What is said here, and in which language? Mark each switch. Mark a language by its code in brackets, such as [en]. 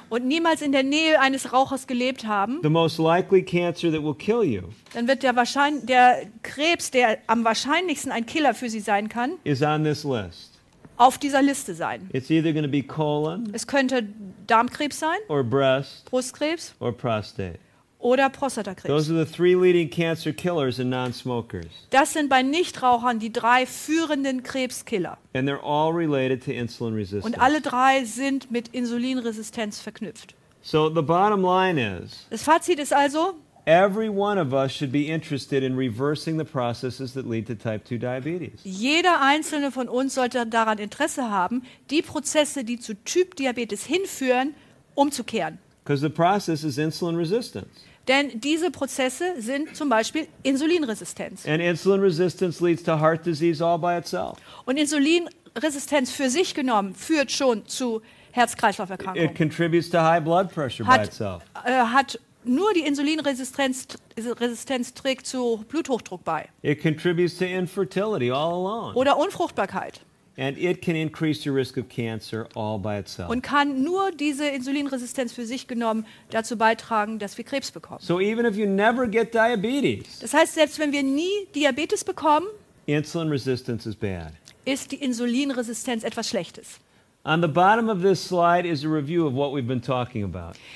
[de] und niemals in der Nähe eines Rauchers gelebt haben, [en] the most likely cancer that will kill you, [de] dann wird der Krebs, der am wahrscheinlichsten ein Killer für Sie sein kann, [en] is on this list. [de] Auf dieser Liste sein. [en] It's either going to be colon, [de] es könnte Darmkrebs sein, [en] or breast, [de] Brustkrebs [en] or prostate. [de] Oder Prostatakrebs. [en] Those are the three leading cancer killers in non-smokers. [de] Das sind bei Nichtrauchern die drei führenden Krebskiller. [en] And they're all related to insulin resistance. [de] Und alle drei sind mit Insulinresistenz verknüpft. [en] So the bottom line is, [de] das Fazit ist also, [en] every one of us should be interested in reversing the processes that lead to type 2 diabetes. [de] Jeder einzelne von uns sollte daran Interesse haben, die Prozesse, die zu Typ Diabetes hinführen, umzukehren. [en] Because the process is insulin resistance. [de] Denn diese Prozesse sind zum Beispiel Insulinresistenz. [en] And insulin resistance leads to heart disease all by itself. [de] Und Insulinresistenz für sich genommen führt schon zu Herz-Kreislauf-Erkrankungen. [en] It contributes to high blood pressure by itself. [de] Hat nur die Insulinresistenz trägt zu Bluthochdruck bei. [en] It contributes to infertility all alone. [de] Oder Unfruchtbarkeit. [en] And it can increase your risk of cancer all by itself. [de] Und kann nur diese Insulinresistenz für sich genommen dazu beitragen, dass wir Krebs bekommen. [en] So even if you never get diabetes. [de] Das heißt, selbst wenn wir nie Diabetes bekommen, [en] insulin resistance is bad. [de] Ist die Insulinresistenz etwas Schlechtes. [en] On the bottom of this slide is a review of what we've been talking about.